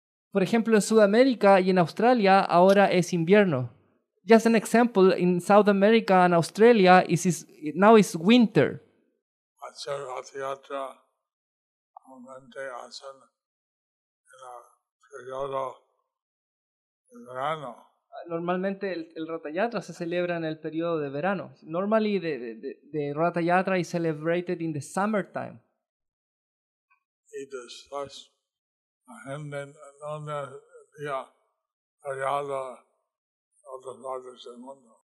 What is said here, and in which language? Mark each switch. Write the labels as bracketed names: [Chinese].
[Spanish] Por ejemplo, en Sudamérica y en Australia ahora es invierno. [English] Just an example, in South America and Australia now it's winter. [Spanish] Hacer Ratha Yatra normalmente hacen en el periodo de verano. Normalmente el Ratha Yatra se celebra en el periodo de verano. [English] Normally the Ratha Yatra is celebrated in the summertime. [Spanish] Y después la gente no había variado en otras partes del mundo.